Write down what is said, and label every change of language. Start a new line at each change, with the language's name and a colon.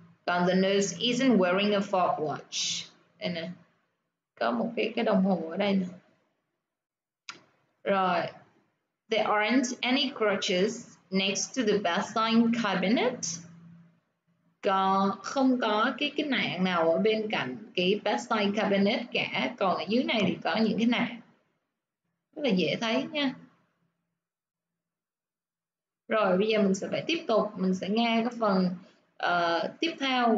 English: Còn the nurse isn't wearing a fob watch.
Vietnamese: Đây nè, có một cái đồng hồ ở đây nè.
English: Rồi, there aren't any crutches next to the bedside cabinet.
Vietnamese: Không có cái nạng nào ở bên cạnh cái bedside cabinet cả. Còn ở dưới này thì có những cái nạng. Rất là dễ thấy nha. Rồi bây giờ mình sẽ phải tiếp tục. Mình sẽ nghe cái phần tiếp theo.